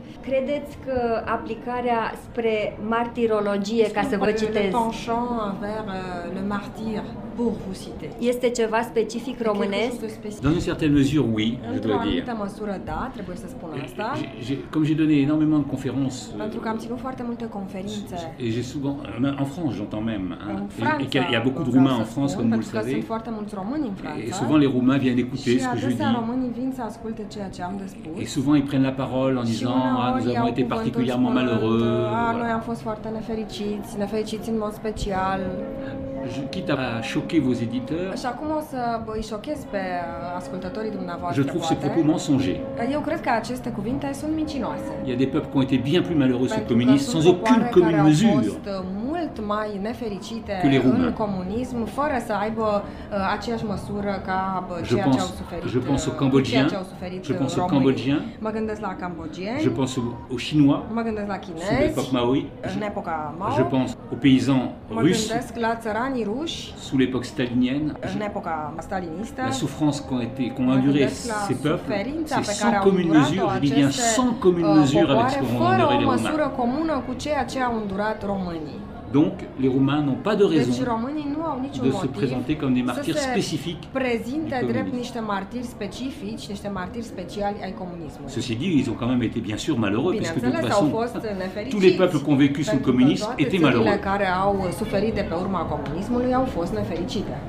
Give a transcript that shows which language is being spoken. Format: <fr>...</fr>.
<ro>Credeți că aplicarea spre martirologie, ca să vă citez,</ro> <fr>le penchant vers le martyr pour vous citer.</fr> <ro>Este ceva specific românesc?</ro> <fr>Dans une certaine mesure, oui, je dois dire.</fr> <ro>Într-o anumită măsură, da, trebuie să spun asta.</ro> <fr>Comme j'ai donné énormément de conférences.</fr> <ro>Pentru că am ținut foarte multe conferințe.</ro> <fr>Et j'ai souvent en France, j'entends même, hein, et il y a beaucoup de Roumains en France, comme vous le savez.</fr> <ro>Sunt foarte mulți români în Franța.</ro> <fr>Et souvent les Roumains viennent écouter ce que je dis.</fr> <ro>Și românii vin să asculte ceea ce am de spus.</ro> <fr>Et souvent ils prennent la parole en disant: ah, nous avons été particulièrement malheureux.</fr> <ro>Noi am fost foarte nefericiți, nefericiți în mod special.</ro> <fr>Quitte à choquer vos éditeurs.</fr> <ro>Și acum o să îi șochez pe ascultătorii dumneavoastră.</ro> <fr>Je trouve ces propos mensongers.</fr> <ro>Eu cred că aceste cuvinte sunt mincinoase.</ro> <fr>Il y a des peuples qui ont été bien plus malheureux sous le communisme sans aucune commune mesure.</fr> <ro>Sunt mult mai nefericite în comunism fără să aibă aceeași măsură ca ceea ce au suferit.</ro> <fr>Je pense aux Cambodgiens. Je pense aux Cambodgiens.</fr> <ro>Mă gândesc la cambodgieni.</ro> <fr>Je pense aux Chinois.</fr> <ro>Mă gândesc la chinezi.</ro> <fr>Sous l'époque Mao.</fr> <ro>În epoca Mao.</ro> <fr>Je pense aux paysans russes.</fr> <ro>Mă gândesc la țăranii ruși.</ro> <fr>Sous l'époque stalinienne, la souffrance qu'ont enduré ces peuples, c'est sans commune mesure, je dis bien sans commune mesure avec ce qu'ont enduré les Roumains.</fr> <ro>Cu ceea ce au îndurat românii.</ro> <fr>Donc les Roumains n'ont pas de raison</fr> <ro>deci, românii nu au niciun</ro> <fr>de se présenter comme des martyrs spécifiques.</fr> <ro>Prezintă drept niște martiri specifici, niște martiri speciali ai comunismului.</ro> <fr>Ceci dit, ils ont quand même été bien sûr malheureux.</fr> <ro>Bine,</ro> <fr>parce que de toute façon,</fr> <ro>fost</ro> <fr>tous les peuples qui ont vécu sous le communisme étaient malheureux.</fr> <ro>Care au suferit de pe urma comunismului au fost nefericite.</ro>